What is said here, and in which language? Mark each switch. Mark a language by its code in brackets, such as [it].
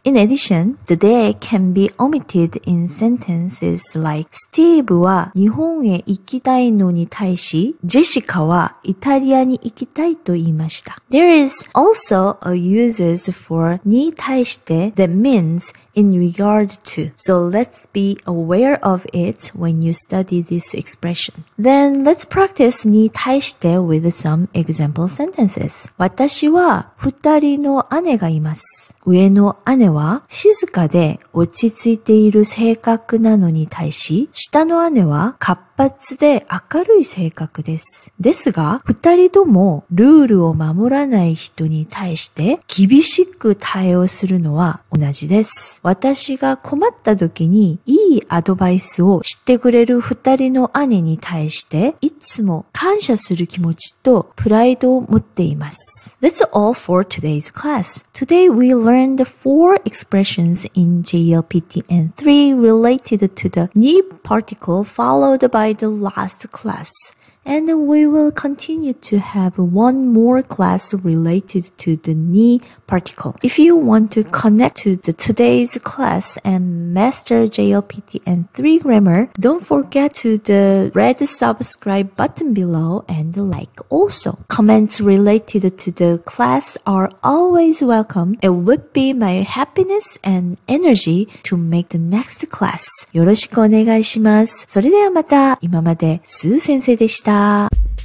[en] In addition, the day can be omitted in sentences like [ja] Steve は日本へ行きたいのに対し、ジェシカはイタリアに行きたいと言いました。 [en] There is also a uses for に対して that means in regard to. So let's be aware of it when you study this expression. Then let's practice に対して with some example sentences. [ja] 私は二人の姉がいます。上の姉は静かで落ち着いている性格なのに対し、下の姉は活発で明るい性格です。ですが、二人ともルールを守らない人に対して厳しく対応するのは同じです。私が困った時にいいアドバイスをしてくれる二人の姉に対して、いつも感謝する気持ちとプライドを持っています。 [en] That's all for today's class. Today we learned four expressions in JLPT and three related to the ni particle followed by the last class. And we will continue to have one more class related to the ni particle. If you want to connect to the today's class and master JLPT and 3 grammar, don't forget to the red subscribe button below and like also. Comments related to the class are always welcome. It would be my happiness and energy to make the next class. [ja] よろしくお願いします。それではまた。今まで、スー先生でした。Bye.